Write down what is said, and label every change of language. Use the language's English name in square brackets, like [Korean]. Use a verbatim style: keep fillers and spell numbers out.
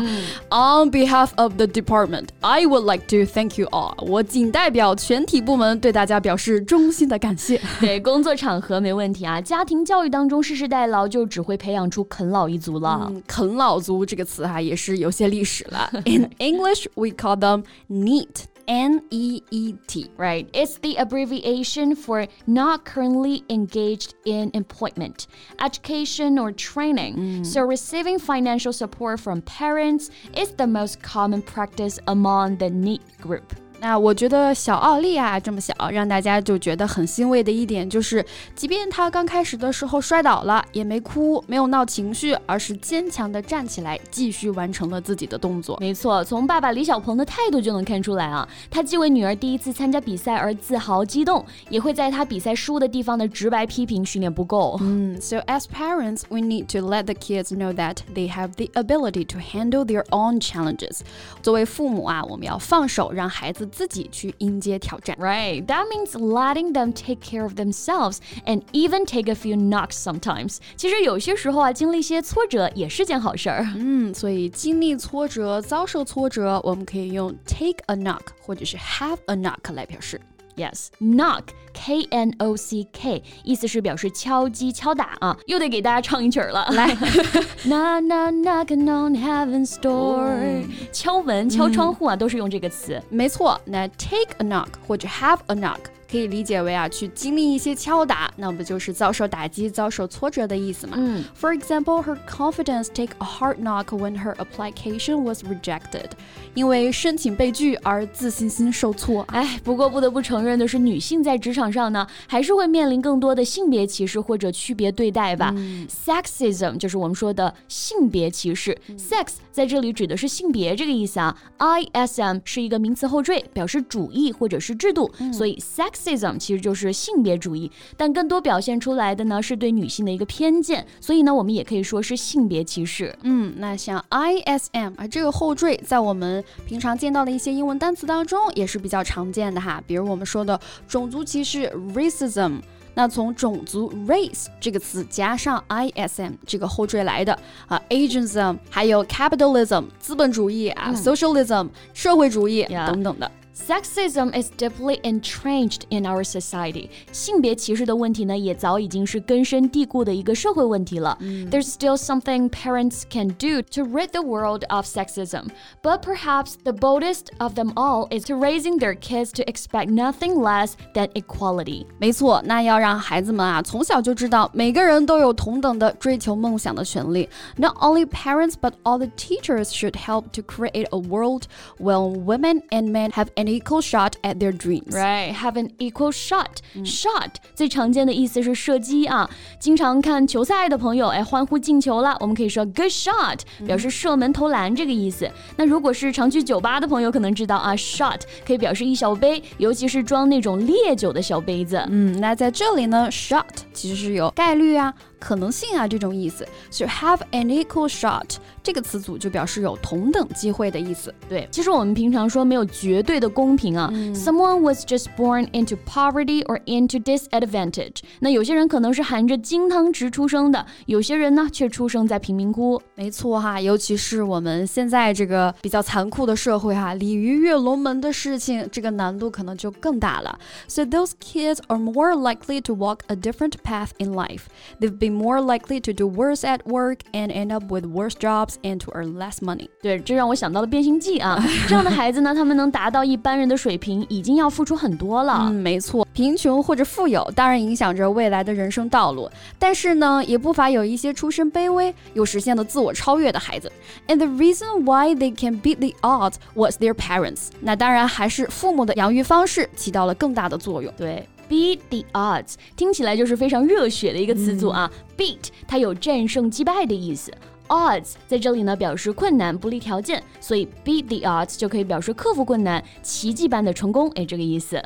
[English] 嗯、on behalf of the department, I would like to thank you all. [Chinese] 我仅代表全体部门对大家表示衷心的感谢。对，工作场合没问题啊，家庭教育当中世世代劳就只会培养出啃老一族了。嗯，啃老族这个词哈、啊、也是有些历史了。 [English] In English, we call them NEET, N E E T. Right, it's the abbreviation for not currently engaged in employment, education, or training. Mm. So receiving financial support from parents is the most common practice among the NEET group. [Chinese] 那我觉得小奥利啊这么小，让大家就觉得很欣慰的一点就是，即便他刚开始的时候摔倒了，也没哭，没有闹情绪，而是坚强地站起来，继续完成了自己的动作。没错，从爸爸李小鹏的态度就能看出来啊，他既为女儿第一次参加比赛而自豪激动，也会在他比赛输的地方的直白批评训练不够。 [English] 嗯， So as parents, we need to let the kids know that they have the ability to handle their own challenges. [Chinese] 作为父母啊，我们要放手让孩子自己去迎接挑战。 [English] Right, that means letting them take care of themselves and even take a few knocks sometimes. [Chinese] 其实有些时候啊，经历一些挫折也是件好事儿。嗯，所以经历挫折、遭受挫折，我们可以用 [English] take a knock [Chinese] 或者是 [English] have a knock [Chinese] 来表示。 [English] Yes, knock, K N O C K, [Chinese] 意思是表示敲击敲打啊，又得给大家唱一曲了。来 [English] knock, knock, knocking on heaven's door、oh. [Chinese] 敲门敲窗户啊、嗯、都是用这个词。没错，那 [English] take a knock [Chinese] 或者 [English] have a knock [Chinese] 可以理解为啊，去经历一些敲打，那不就是遭受打击、遭受挫折的意思吗？嗯。 [English] For example, her confidence took a hard knock when her application was rejected. [Chinese] 因为申请被拒而自信心受挫。哎，不过不得不承认的是，女性在职场上呢，还是会面临更多的性别歧视或者区别对待吧。嗯、Sexism 就是我们说的性别歧视。嗯、Sex 在这里指的是性别这个意思啊。I S M 是一个名词后缀，表示主义或者是制度，嗯、所以 sex。其实就是性别主义，但更多表现出来的呢是对女性的一个偏见，所以呢我们也可以说是性别歧视。嗯，那像 I S M 啊这个后缀在我们平常见到的一些英文单词当中也是比较常见的哈，比如我们说的种族歧视 racism。那从种族 race 这个词加上 I S M 这个后缀来的、啊、ageism 还有 capitalism 资本主义啊、嗯、socialism 社会主义、yeah. 等等的。 [English] Sexism is deeply entrenched in our society. [Chinese] 性别歧视的问题呢，也早已经是根深蒂固的一个社会问题了。 Mm. [English] There's still something parents can do to rid the world of sexism. But perhaps the boldest of them all is to raising their kids to expect nothing less than equality. [Chinese] 没错，那要让孩子们啊，从小就知道每个人都有同等的追求梦想的权利。 [English] Not only parents, but all the teachers should help to create a world where women and men have an equal shot at their dreams. Right, have an equal shot. [Chinese] Shot 最常见的意思是射击啊，经常看球赛的朋友哎欢呼进球了，我们可以说 [English] good shot [Chinese] 表示射门投篮这个意思。那如果是常去酒吧的朋友可能知道啊 shot 可以表示一小杯，尤其是装那种烈酒的小杯子。嗯，那在这里呢 shot 其实是有概率啊可能性啊这种意思。 [English] So have an equal shot [Chinese] 这个词组就表示有同等机会的意思。对，其实我们平常说没有绝对的公平啊、嗯、 [English] Someone was just born into poverty or into disadvantage. [Chinese] 那有些人可能是含着金汤匙出生的，有些人呢却出生在贫民窟。没错哈，尤其是我们现在这个比较残酷的社会哈，鲤鱼跃龙门的事情这个难度可能就更大了。 [English] So those kids are more likely to walk a different path in life. They've been more likely to do worse at work and end up with worse jobs and to earn less money. [Chinese] 对，这让我想到了变形记啊。这样的孩子呢，他们能达到一般人的水平已经要付出很多了。嗯，没错，贫穷或者富有当然影响着未来的人生道路，但是呢，也不乏有一些出身卑微又实现了自我超越的孩子。 [English] And the reason why they can beat the odds was their parents. [Chinese] 那当然还是父母的养育方式起到了更大的作用。对， [English] Beat the odds [Chinese] 听起来就是非常热血的一个词组啊、嗯、Beat 它有战胜击败的意思 odds 在这里呢表示困难不利条件，所以 [English] beat the odds [Chinese] 就可以表示克服困难，奇迹般的成功，哎，这个意思。